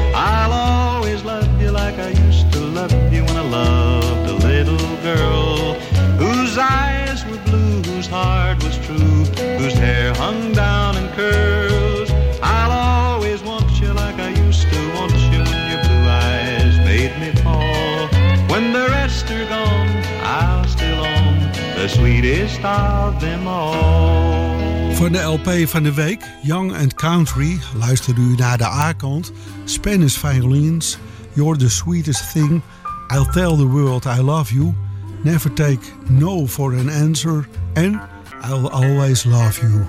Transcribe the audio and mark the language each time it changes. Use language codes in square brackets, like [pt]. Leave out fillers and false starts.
[en] I'll always love you like I used to love you when I loved a little girl, whose eyes were blue, whose heart was true, whose hair hung down in curls. I'll always want you like I used to want you when your blue eyes made me fall. When the rest are gone, I'll still own the sweetest of them all. [nl] Van de LP van de week, Young and Country, luister u naar de A-kant. [en] Spanish Violins, You're the Sweetest Thing, I'll Tell the World I Love You, Never Take No for an Answer, en I'll Always Love You.